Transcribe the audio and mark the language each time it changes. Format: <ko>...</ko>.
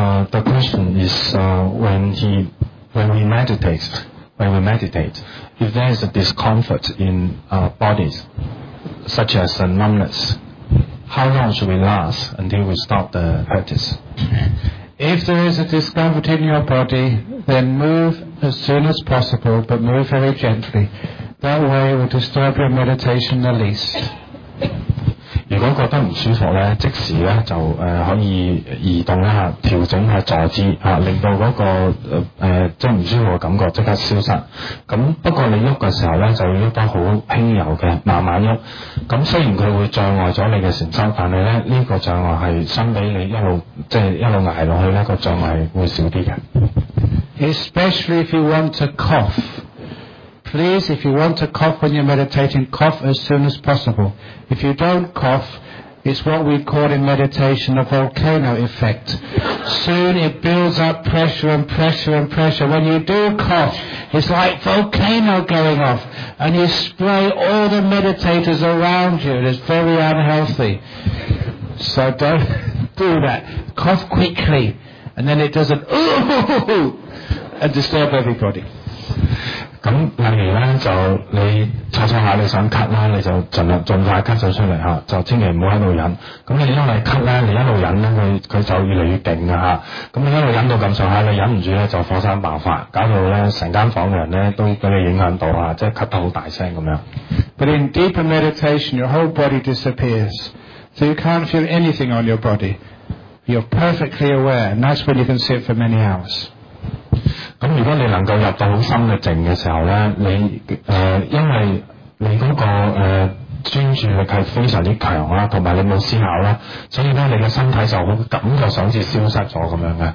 <en>The question is when we meditate, if there is a discomfort in our bodies, such as a numbness. How long should we last until we stop the practice? If there is a discomfort in your body, then move as soon as possible, but move very gently. That way it will disturb your meditation the least.</en> <yue>如果覺得不舒服呢，即時呢就可以移動一下，調整一下坐姿，令到那個即不舒服的感覺即刻消失。不過你動的時候呢，就要動得很輕柔的，慢慢動。雖然它會障礙了你的禅修，但是呢，這個障礙是相比你一路即一路捱下去呢，個障礙會少一點</yue> <en>的。Especially if you want to cough. Please, if you want to cough when you're meditating, cough as soon as possible. If you don't cough, It's what we call in meditation a volcano effect. Soon it builds up pressure and pressure and pressure. When you do cough, it's like volcano going off. And you spray all the meditators around you. It's very unhealthy. So don't do that. Cough quickly. And then it does an ooh and disturb everybody.</en> <yue>咁例如咧，就你坐坐下，你想咳啦，你就盡快咳咗出嚟嚇，就千祈唔好喺度忍。咁你因為咳咧，你一路忍咧，佢就越嚟越勁噶嚇。咁你一路忍到咁上下，你忍唔住咧就火山爆發，搞到咧成間房嘅人咧都俾你影響到嚇，即係咳得好大聲咁樣。</yue> <en>But in deeper meditation, your whole body disappears, so you can't feel anything on your body. You're perfectly aware, and that's when you can sit for many hours.</en> <yue>咁如果你能夠入到好深嘅靜嘅時候咧，你因為你嗰、那個專注力係非常之強啦，同埋你冇思考啦，所以咧你嘅身體就好感覺上好似消失咗咁樣嘅。</yue>